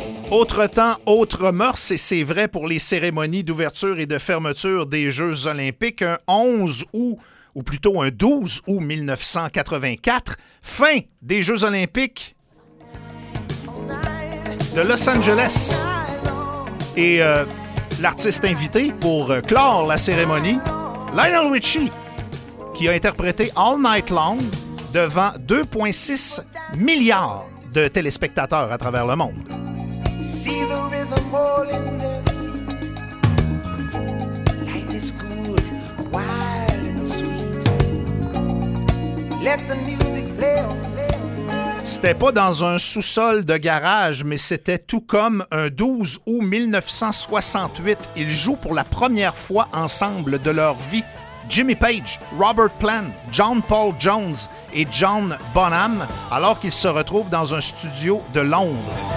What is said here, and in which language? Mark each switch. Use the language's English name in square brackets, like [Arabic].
[French] Autre temps, autre mœurs, et c'est vrai pour les cérémonies d'ouverture et de fermeture des Jeux olympiques, un 11 août, ou plutôt un 12 août 1984, fin des Jeux olympiques de Los Angeles. Et l'artiste invité pour clore la cérémonie, Lionel Richie, qui a interprété All Night Long devant 2,6 milliards de téléspectateurs à travers le monde. [English] See the rhythm rolling down. Life is good, wild and sweet. Let the music play on. [French] C'était pas dans un sous-sol de garage, mais c'était tout comme un 12 août 1968. Ils jouent pour la première fois ensemble de leur vie. Jimmy Page, Robert Plant, John Paul Jones et John Bonham, alors qu'ils se retrouvent dans un studio de Londres.